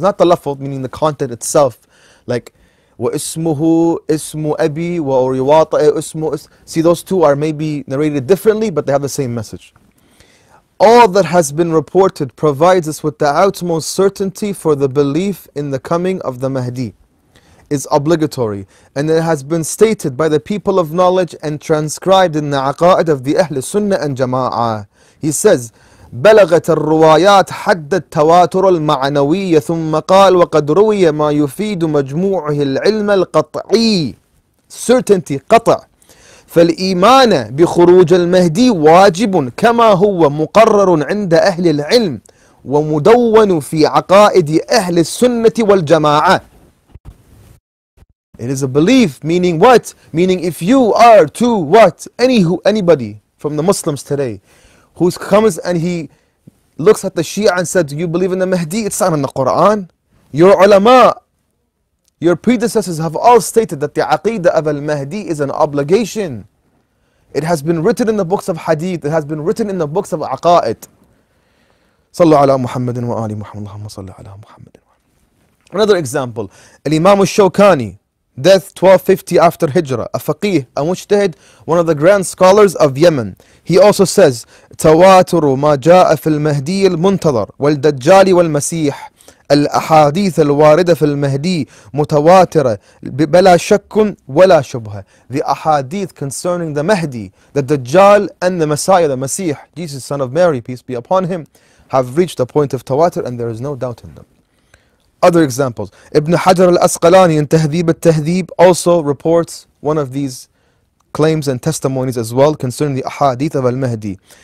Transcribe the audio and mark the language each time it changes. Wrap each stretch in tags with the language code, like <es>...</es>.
<en>Not the lafad, meaning the content itself, like</en> <ar>وَإِسْمُهُ إِسْمُ أَبِي وَأُرِوَاطَئِ إِسْمُ</ar> <en>See, those two are maybe narrated differently, but they have the same message. All that has been reported provides us with the utmost certainty for the belief in the coming of the Mahdi. It's obligatory, and it has been stated by the people of knowledge and transcribed in the aqa'id of the Ahl Sunnah and Jama'ah. He says,</en> <ar>بلغت الروايات حد التواتر المعنوي ثم قال وقد روي ما يفيد مجموعه العلم القطعي</ar> <en>certainty</en> <ar>قطع فالإيمان بخروج المهدي واجب كما هو مقرر عند أهل العلم ومدون في عقائد أهل السنة والجماعة.</ar> <en>It is a belief, meaning what? Meaning if you are to what? Anybody from the Muslims today who comes and he looks at the Shia and said, do you believe in the Mahdi? It's not in the Quran. Your ulama, your predecessors have all stated that the aqidah of al-Mahdi is an obligation. It has been written in the books of hadith. It has been written in the books of aqa'id. Sallallahu ala Muhammadin wa ali Muhammad. Allahumma salli ala Muhammadin. Another example, Imam al-Shawkani, death 1250 after Hijrah, a faqih, a mujtahid, one of the grand scholars of Yemen. He also says,</en> <ar>تَوَاتُرُ مَا جَاءَ فِي الْمَهْدِيِ الْمُنْتَظَرِ وَالْدَجَّالِ وَالْمَسِيحِ الأحاديث الواردة في المهدي متواترة بلا شك ولا شبهة.</ar> <en>The ahadith concerning the Mahdi, the Dajjal and the Messiah, the Masih, Jesus son of Mary, peace be upon him, have reached the point of tawatur and there is no doubt in them. Other examples, Ibn Hajar al-Asqalani in Tahdhib al-Tahdhib also reports one of these claims and testimonies as well concerning the ahadith of al-Mahdi.</en>